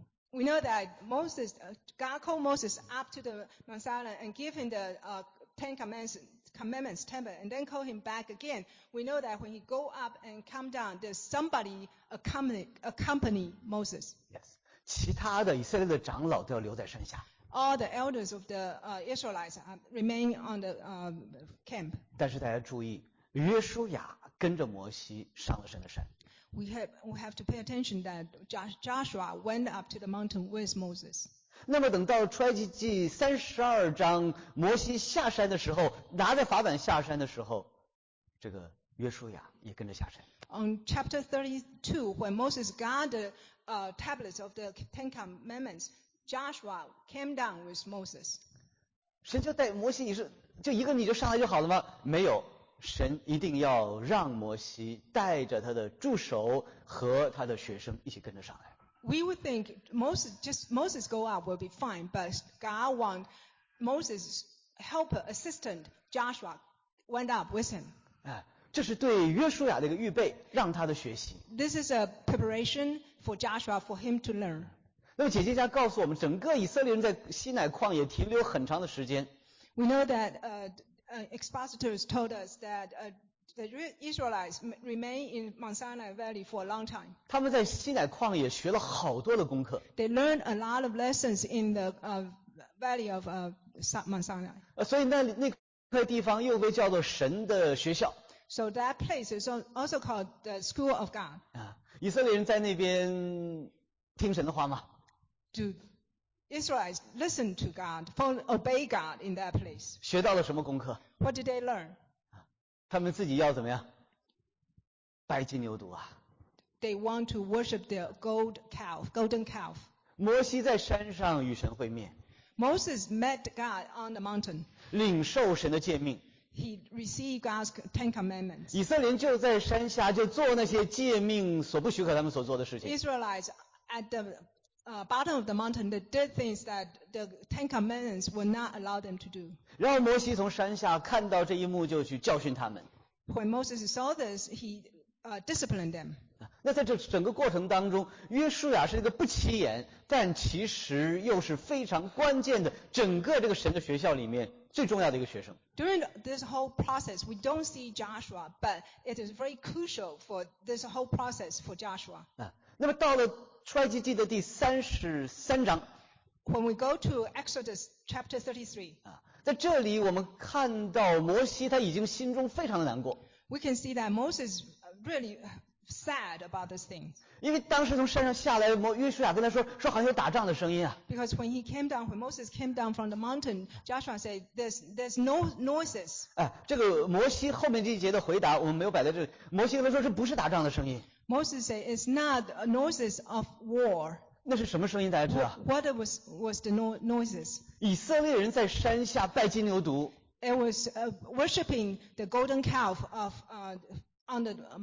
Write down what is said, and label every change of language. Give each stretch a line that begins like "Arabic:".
English: We know that Moses, God called Moses up to the Mount Sinai and gave him the Ten Commandments tablet, and then called him back again. We know that when he go up and come down, there's somebody accompany Moses. Yes.
Chinese: 其他的以色列的长老都要留在山下。
English: All the elders of the Israelites remain on the camp.
Chinese: 但是大家注意，约书亚跟着摩西上了神的山。
English: We have to pay attention that Joshua went up to the mountain with Moses.
Chinese: 那么等到出埃及记三十二章，摩西下山的时候，拿着法版下山的时候，这个约书亚也跟着下山。
English: On chapter 32, when Moses got the tablets of the Ten Commandments. Joshua came down with Moses.
Chinese: 神就带摩西，你是就一个你就上来就好了吗？没有，神一定要让摩西带着他的助手和他的学生一起跟着上来。
English: We would think Moses go up will be fine, but God want Moses' helper assistant Joshua went up with him.
Chinese: 这是对约书亚的一个预备，让他的学习。
English: This is a preparation for Joshua for him to learn.
Chinese: 那么解经家告诉我们，整个以色列人在西乃旷野停留很长的时间。
English: We know that expositors told us that the Israelites remain in Mount Sinai Valley for a long time.
Chinese: 他们在西乃旷野学了好多的功课。
English: They learned a lot of lessons in the valley of Mount Sinai.
Chinese: 所以那块地方又被叫做神的学校。
English: So that place is also called the School of God.
Chinese: 以色列人在那边听神的话吗？
English: Do Israelites listen to God, obey God in that place?
Chinese: 学到了什么功课？
English: What did they learn?
Chinese: 他们自己要怎么样？拜金牛犊啊！
English: They want to worship their gold calf, golden calf.
Chinese: 摩西在山上与神会面。
English: Moses met God on the mountain.
Chinese: 领受神的诫命。
English: He received God's Ten Commandments.
Chinese: 以色列人就在山下就做那些诫命所不许可他们所做的事情。
English: Israelites at the bottom of the mountain, they did things that the Ten Commandments would not allow them to do.
Chinese: 然后摩西从山下看到这一幕，就去教训他们。
English: When Moses saw this, he disciplined them.
Chinese: 那在这整个过程当中，约书亚是一个不起眼，但其实又是非常关键的，整个这个神的学校里面最重要的一个学生。
English: During this whole process, we don't see Joshua, but it is very crucial for this whole process for Joshua.
Chinese: 那么到了出埃及记的第三十三章。
English: When we go to Exodus chapter 33,
Chinese: 在这里我们看到摩西他已经心中非常的难过。
English: We can see that Moses really sad about this thing.
Chinese: 因为当时从山上下来，约书亚跟他说，说好像有打仗的声音啊。
English: Because when he came down, when Moses came down from the mountain, Joshua said, "There's no noises."
Chinese: 这个摩西后面这一节的回答我们没有摆在这里。摩西跟他说，这不是打仗的声音。
English: Moses said, it's not noises of war.
Chinese: 那是什么声音大家知道？
English: What was the noises?
Chinese: 以色列人在山下拜金牛犊。
English: It was worshipping the golden calf of on the